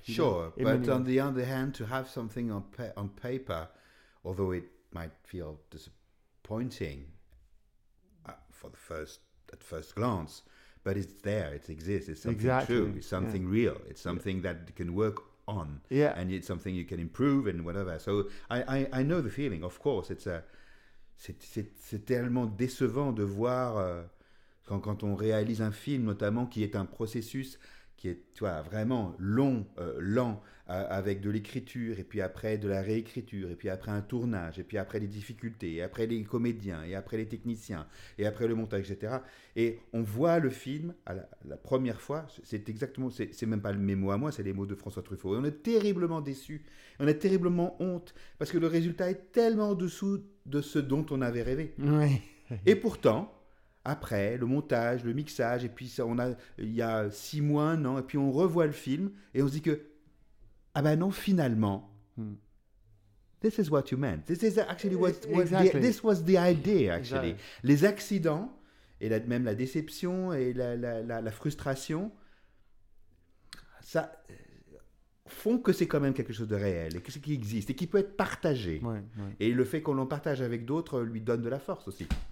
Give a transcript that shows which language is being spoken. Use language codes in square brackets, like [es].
[en] Sure, know, but on the other hand, to have something on paper, although it might feel disappointing at first glance, but it's there, it exists, it's something exactly. true, it's something yeah. real, it's something yeah. that can work on, yeah. and it's something you can improve and whatever. So I know the feeling, of course, [fr] c'est tellement décevant de voir... Quand on réalise un film, notamment, qui est un processus qui est, tu vois, vraiment long, lent, avec de l'écriture, et puis après de la réécriture, et puis après un tournage, et puis après les difficultés, et après les comédiens, et après les techniciens, et après le montage, etc. Et on voit le film à la première fois, c'est même pas mes mots à moi, c'est les mots de François Truffaut. Et on est terriblement déçus, on est terriblement honte, parce que le résultat est tellement en dessous de ce dont on avait rêvé. Oui. Et pourtant... Après, le montage, le mixage, et puis ça, il y a 6 mois, un an, et puis on revoit le film, et on se dit que, ah ben non, finalement, [en] this is what you meant. This is actually this was the idea, actually. Exactly. [fr] Les accidents, et même la déception, et la frustration, ça font que c'est quand même quelque chose de réel, et qui existe, et qui peut être partagé. Ouais, ouais. Et le fait qu'on l'en partage avec d'autres lui donne de la force aussi.